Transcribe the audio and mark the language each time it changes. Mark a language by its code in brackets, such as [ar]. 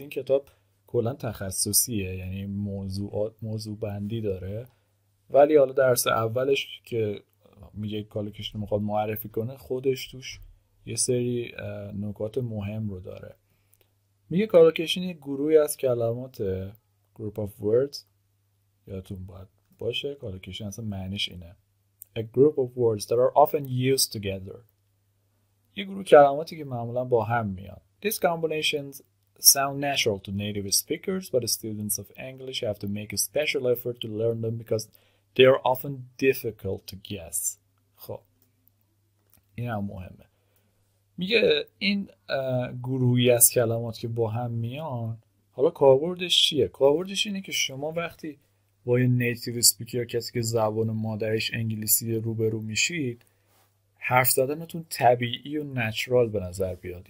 [fa] این کتاب کلا تخصصیه، یعنی موضوع بندی داره، ولی حالا درس اولش که میگه کالوکیشن رو میخواد معرفی کنه، خودش توش یه سری نکات مهم رو داره. میگه کالوکیشن یه گروهی از کلمات، [en] group of words، [fa] یادتون باید باشه کالوکیشن اصلا معنیش اینه، [en] a group of words that are often used together، [fa] یه گروه کلماتی که معمولا با هم میان. [en] These combinations sound natural to native speakers, but students of English have to make a special effort to learn them because they are often difficult to guess. [fa] خب، این هم مهمه. میگه این گروهی از کلمات که با هم میان، حالا کاربردش چیه؟ کاربردش اینه که شما وقتی با یه نیتیو سپیکر، کسی که زبان مادرش انگلیسی، روبرو میشید، حرف زدنتون طبیعی و نچرال به نظر بیاد.